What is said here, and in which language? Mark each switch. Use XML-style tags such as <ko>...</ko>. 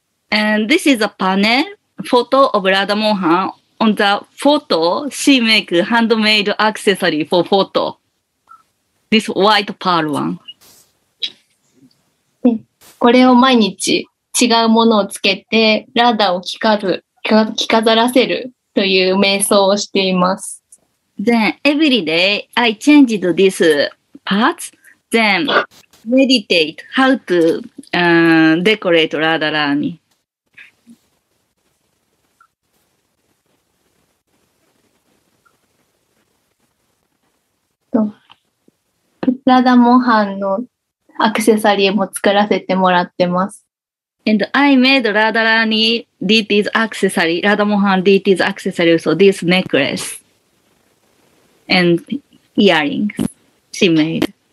<en>And this is a panel photo of ラダモハン on the photo she make handmade accessory for photo. This white pearl one.</en> <ja>これを毎日違うものをつけてラダを着飾らせるという瞑想をしています。</ja> <en>Then every day I changed this parts. Then meditate how to decorate Radha Rani.</en> <ja>ラダモハンのアクセサリーも作らせてもらってます。</ja> <en>And I made Radha Rani deity's accessory, Radha Mohan deity's accessory, so this necklace and earrings she made.</en>